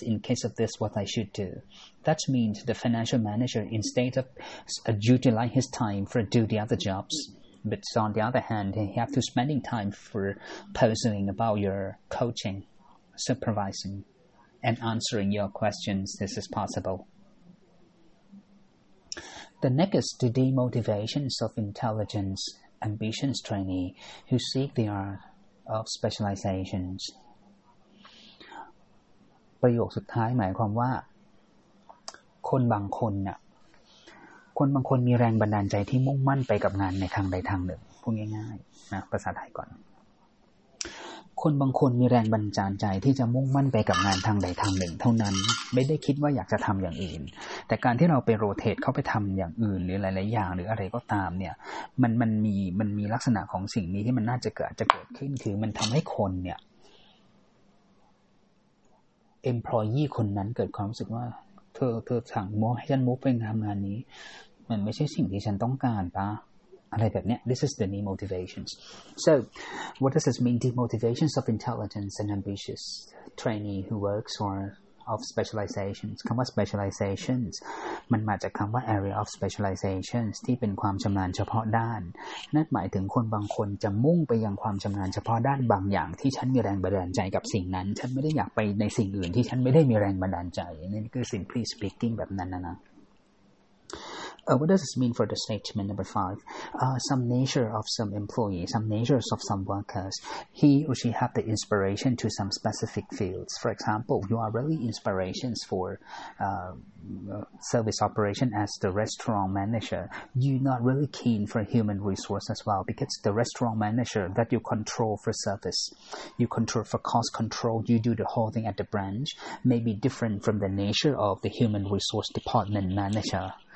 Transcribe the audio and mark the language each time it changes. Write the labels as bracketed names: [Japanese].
[English] In case of this, what I should do? That means the financial manager, instead of utilizing his time for do the other jobs, but on the other hand, he has to spend time for posing about your coaching, supervising, and answering your questions. This is possible. The next to demotivations of intelligence ambitions trainee who seek the art of specializations. [Thai] ประโยคสุดท้ายหมายความว่าคนบางคนน่ะคนบางคนมีแรงบันดาลใจที่มุ่งมั่นไปกับงานในทางใดทางหนึ่งพูดง่ายๆนะภาษาไทยก่อน คนบางคนมีแรงบันดาลใจที่จะมุ่งมั่นไปกับงานทางใดทางหนึ่งเท่านั้นไม่ได้คิดว่าอยากจะทำอย่างอื่นแต่การที่เราไปโรเตทเข้าไปทำอย่างอื่นหรือหลายๆอย่างหรืออะไรก็ตามเนี่ยมันมีลักษณะของสิ่งนี้ที่มันน่าจะเกิดขึ้นคือมันทำให้คนเนี่ย employee คนนั้นเกิดความรู้สึกว่าเธอสั่งมอให้ฉันมุ่งไปทำงานนี้มันไม่ใช่สิ่งที่ฉันต้องการปะอะไรแบบนี้ [English] This is the demotivations. So, what does this mean? Demotivations of intelligence and ambitious trainee who works or of specializations. [Thai] คำว่า specializations มันมาจากคำว่า area of specializations ที่เป็นความชำนาญเฉพาะด้านนั่นหมายถึงคนบางคนจะมุ่งไปยังความชำนาญเฉพาะด้านบางอย่างที่ฉันมีแรงบันดาลใจกับสิ่งนั้นฉันไม่ได้อยากไปในสิ่งอื่นที่ฉันไม่ได้มีแรงบันดาลใจนี่คือ simply speaking แบบนั้นนะ [English] What does this mean for the statement number 5? Some nature of some employees, some natures of some workers. He or she have the inspiration to some specific fields. For example, you are really inspirations for service operation as the restaurant manager. You're not really keen for human resource as well because the restaurant manager that you control for service, you control for cost control, you do the whole thing at the branch, may be different from the nature of the human resource department manager.